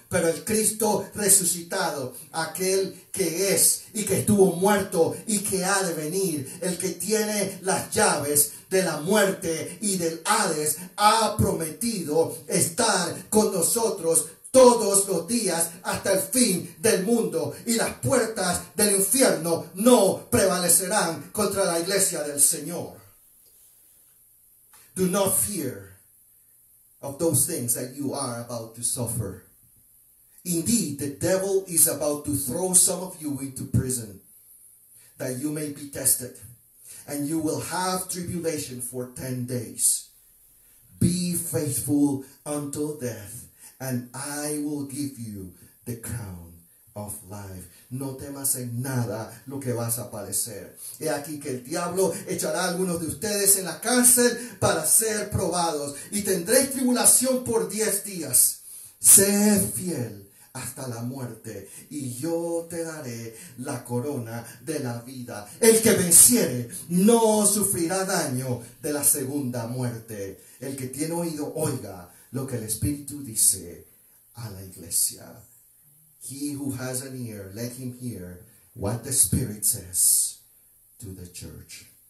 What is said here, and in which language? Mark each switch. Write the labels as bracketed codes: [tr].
[es] Pero el Cristo resucitado, aquel que es y que estuvo muerto y que ha de venir, el que tiene las llaves de la muerte y del Hades, ha prometido estar con nosotros todos los días hasta el fin del mundo. Y las puertas del infierno no prevalecerán contra la iglesia del Señor. [en] Do not fear of those things that you are about to suffer. Indeed, the devil is about to throw some of you into prison, that you may be tested, and you will have tribulation for 10 days. Be faithful until death, and I will give you the crown of life. [es] No temas en nada lo que vas a padecer. He aquí que el diablo echará a algunos de ustedes en la cárcel para ser probados. Y tendréis tribulación por 10 días. Sé fiel hasta la muerte y yo te daré la corona de la vida. El que venciere no sufrirá daño de la segunda muerte. El que tiene oído, oiga lo que el Espíritu dice a la iglesia. [en] He who has an ear, let him hear what the Spirit says to the church.